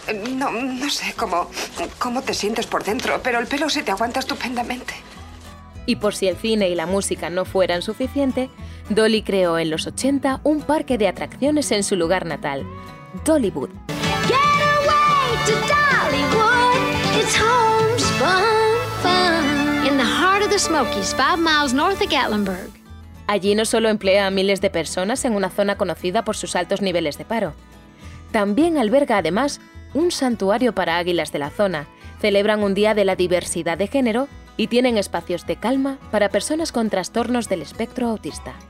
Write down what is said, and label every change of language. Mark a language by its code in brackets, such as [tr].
[es] No, no sé cómo te sientes por dentro, pero el pelo se te aguanta estupendamente. Y por si el cine y la música no fueran suficiente, Dolly creó en los 80 un parque de atracciones en su lugar natal, Dollywood. [en] Get away to Dollywood, it's home's fun, fun. In the heart of the Smokies, 5 miles north of Gatlinburg. [es] Allí no solo emplea a miles de personas en una zona conocida por sus altos niveles de paro. También alberga además un santuario para águilas de la zona. Celebran un día de la diversidad de género y tienen espacios de calma para personas con trastornos del espectro autista.